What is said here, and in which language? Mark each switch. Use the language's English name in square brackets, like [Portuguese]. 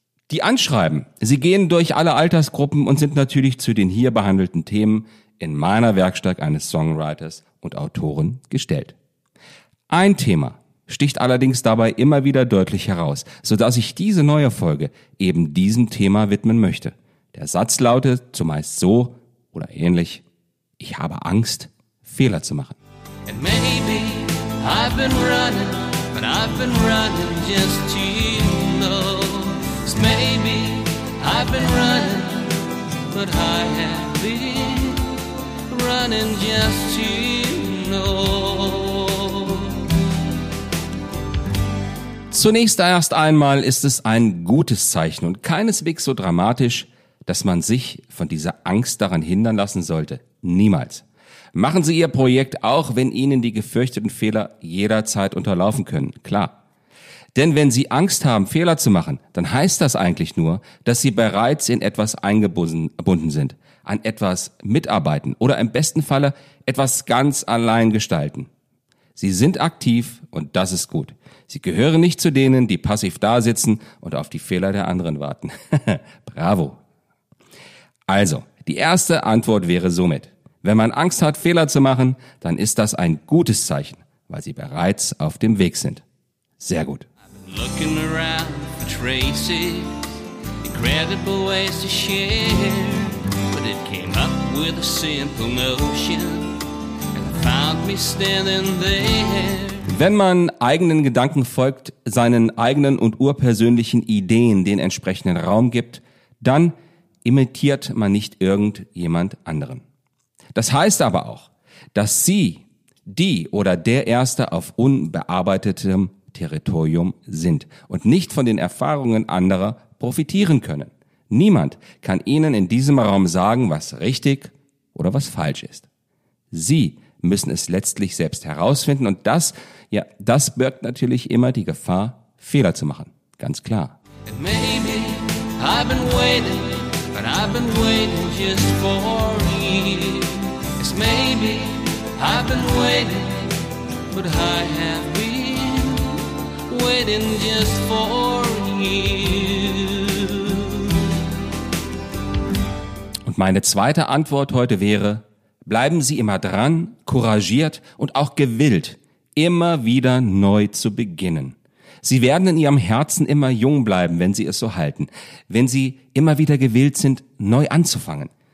[German] Die Anschreiben, sie gehen durch alle Altersgruppen und sind natürlich zu den hier behandelten Themen in meiner Werkstatt eines Songwriters und Autoren gestellt. Ein Thema sticht allerdings dabei immer wieder deutlich heraus, sodass ich diese neue Folge eben diesem Thema widmen möchte. Der Satz lautet zumeist so oder ähnlich: Ich habe Angst, Fehler zu machen. [English] And maybe I've been running, but I've been running just to you know. Maybe I've been running, but I have been running just to you know. [German] Zunächst erst einmal ist es ein gutes Zeichen und keineswegs so dramatisch, dass man sich von dieser Angst daran hindern lassen sollte. Niemals. Machen Sie Ihr Projekt, auch wenn Ihnen die gefürchteten Fehler jederzeit unterlaufen können, klar. Denn wenn Sie Angst haben, Fehler zu machen, dann heißt das eigentlich nur, dass Sie bereits in etwas eingebunden sind, an etwas mitarbeiten oder im besten Falle etwas ganz allein gestalten. Sie sind aktiv und das ist gut. Sie gehören nicht zu denen, die passiv da sitzen und auf die Fehler der anderen warten. Bravo! Also, die erste Antwort wäre somit: Wenn man Angst hat, Fehler zu machen, dann ist das ein gutes Zeichen, weil sie bereits auf dem Weg sind. Sehr gut. [English] I've been looking around for traces, incredible ways to share. But it came up with a simple notion and found me standing there. [German] Wenn man eigenen Gedanken folgt, seinen eigenen und urpersönlichen Ideen den entsprechenden Raum gibt, dann imitiert man nicht irgendjemand anderen. Das heißt aber auch, dass Sie die oder der Erste auf unbearbeitetem Territorium sind und nicht von den Erfahrungen anderer profitieren können. Niemand kann Ihnen in diesem Raum sagen, was richtig oder was falsch ist. Sie müssen es letztlich selbst herausfinden und das, ja, das birgt natürlich immer die Gefahr, Fehler zu machen. Ganz klar. [English] And maybe I've been waiting, but I've been waiting just for you. Maybe I've been waiting, but I have been waiting just for you. Und [German] Meine zweite Antwort heute wäre, bleiben Sie immer dran, couragiert und auch gewillt, immer wieder neu zu beginnen. Sie werden in Ihrem Herzen immer jung bleiben, wenn Sie es so halten, wenn Sie immer wieder gewillt sind, neu anzufangen.